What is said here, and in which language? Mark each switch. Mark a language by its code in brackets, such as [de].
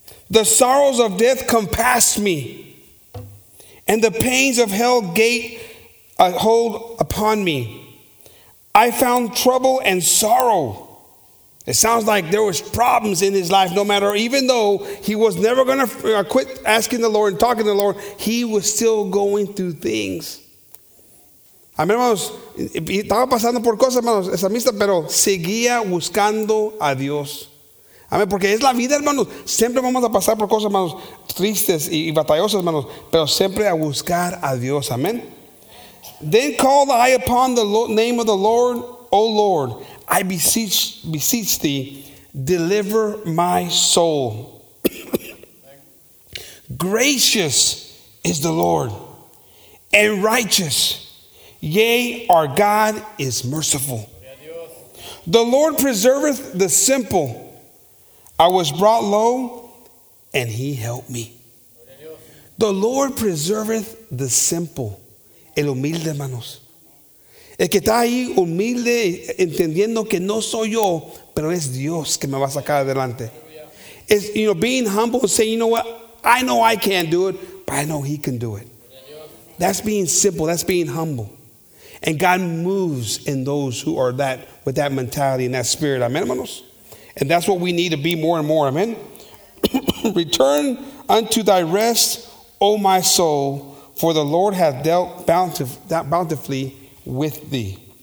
[en] The sorrows of death compassed me, and the pains of hell gate a hold upon me. I found trouble and sorrow. It sounds like there was problems in his life, no matter, even though he was never going to quit asking the Lord and talking to the Lord, he was still going through things. [es] Amén, hermanos. Estaba pasando por cosas, hermanos, esa misma, pero seguía buscando a Dios. Amén, porque es la vida, hermanos. Siempre vamos a pasar por cosas, hermanos, tristes y batallosas, hermanos, pero siempre a buscar a Dios. Amén. [en] Then called I upon the name of the Lord, O Lord, I beseech thee, deliver my soul. Gracious is the Lord and righteous. Yea, our God is merciful. The Lord preserveth the simple. I was brought low, and he helped me. The Lord preserveth the simple. [es] El humilde, hermanos. El que está ahí humilde, entendiendo que no soy yo, pero es Dios que me va a sacar adelante. [en] It's, you know, being humble and saying, you know what? I know I can't do it, but I know he can do it. That's being simple. That's being humble. And God moves in those who are that with that mentality and that spirit. Amen, hermanos. And that's what we need to be more and more. Amen. Return unto thy rest, O my soul, for the Lord hath dealt bountifully with thee.